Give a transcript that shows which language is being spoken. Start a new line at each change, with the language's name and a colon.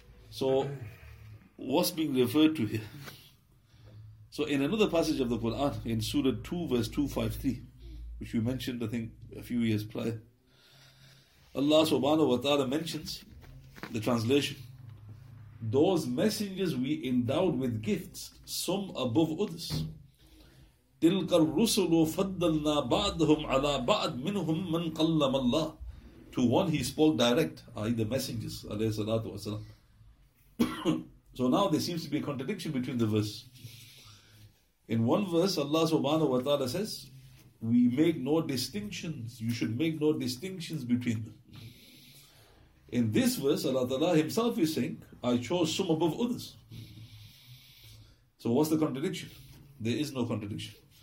English: So what's being referred to here? So in another passage of the Quran, in Surah 2 verse 253, which we mentioned I think a few years prior, Allah subhanahu wa ta'ala mentions the translation, those messengers we endowed with gifts, some above others.
Arabic: تِلْكَ الرُّسُلُ فَضَّلْنَا بَعْدْهُمْ عَلَىٰ بَعْدْ مِنْهُمْ مَنْ قَلَّمَ اللَّهُ
English: To one he spoke direct, i.e. the messengers, alayhi salatu wasalam. So now there seems to be a contradiction between the verse. In one verse, Allah subhanahu wa ta'ala says, we make no distinctions, you should make no distinctions between them. In this verse, Allah Ta'ala himself is saying, I chose some above others. So what's the contradiction? There is no contradiction.